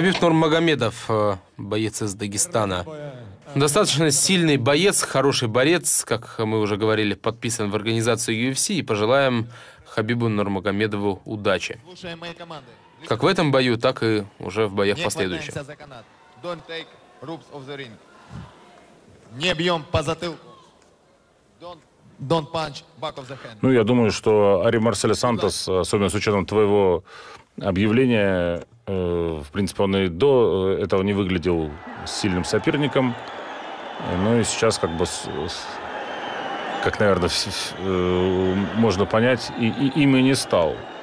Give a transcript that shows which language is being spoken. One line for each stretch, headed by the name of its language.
Russian: Хабиб Нурмагомедов, боец из Дагестана. Достаточно сильный боец, хороший борец, как мы уже говорили, подписан в организацию UFC. И пожелаем Хабибу Нурмагомедову удачи. Слушаем мои команды. Как в этом бою, так и уже в боях последующих. Не хватаемся за канат.
English: Don't take ropes off the ring.
Russian: Не бьем по затылку.
English: Don't punch back of the hand.
Russian: Ну, я думаю, что Ари Марселя Сантос, особенно с учетом твоего объявления, в принципе, он и до этого не выглядел сильным соперником. Ну и сейчас, как бы, как, наверное, можно понять, и им и не стал.